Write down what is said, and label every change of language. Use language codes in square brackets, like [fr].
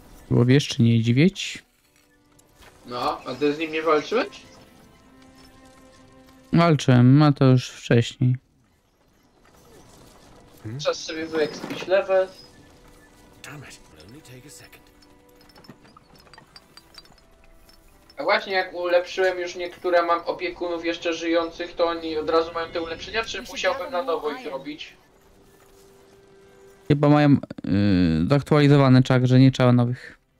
[pl] Złowieszczy niedźwiedź? No, a ty z nim nie walczyłeś? Walczyłem, a to już wcześniej. Czas sobie wyekspić level. [en] Dammit, it'll only take a second. [pl] A właśnie jak ulepszyłem już niektóre, mam opiekunów jeszcze żyjących, to oni od razu mają te ulepszenia, czy musiałbym na nowo ich robić? Chyba mają zaktualizowane czak, że nie trzeba nowych.